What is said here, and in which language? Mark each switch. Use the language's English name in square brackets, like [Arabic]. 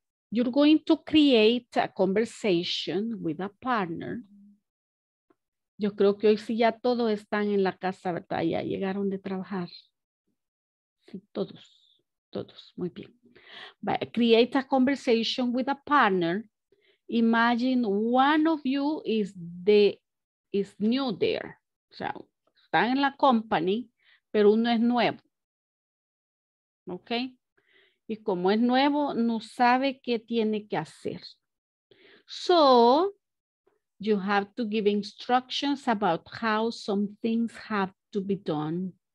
[English] You're going to create a conversation with a partner. [Spanish] Yo creo que hoy sí ya todos están en la casa, ¿verdad? Ya llegaron de trabajar. Sí, todos, todos, muy bien. [English] But create a conversation with a partner. Imagine one of you is new there. [Spanish] O sea, están en la company, pero uno es nuevo. ¿Ok? Y como es nuevo, no sabe qué tiene que hacer. [English] So, you have to give instructions about how some things have to be done.